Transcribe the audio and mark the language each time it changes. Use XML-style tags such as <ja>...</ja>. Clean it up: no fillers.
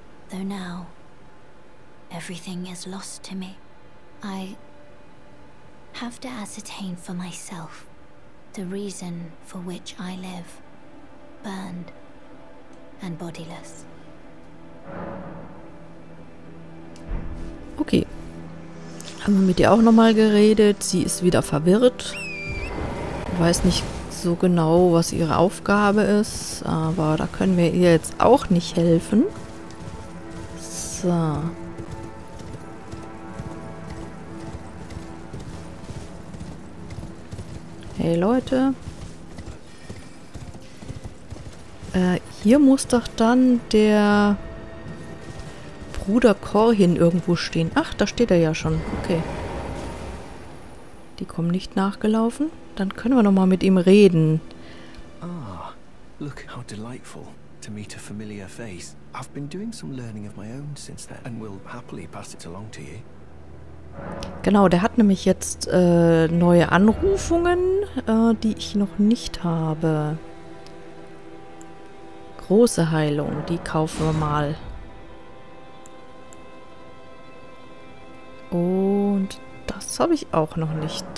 <en>Though now, everything is lost to me. I have to ascertain for myself the reason for which I live, burned and bodiless. Okay.</en> <de>Haben wir mit ihr auch nochmal geredet. Sie ist wieder verwirrt. Weiß nicht so genau, was ihre Aufgabe ist. Aber da können wir ihr jetzt auch nicht helfen. So. Hey Leute. Hier muss doch dann der Bruder Corhin irgendwo stehen. Ach, da steht er ja schon. Okay. Die kommen nicht nachgelaufen. Dann können wir nochmal mit ihm reden.</de> <en>Ah, look how delightful to meet a familiar face. I've been doing some learning of my own since then and will happily pass it along to you.</en> <de>Genau, der hat nämlich jetzt neue Anrufungen, die ich noch nicht habe. Große Heilung, die kaufen wir mal. Und das habe ich auch noch nicht.</de>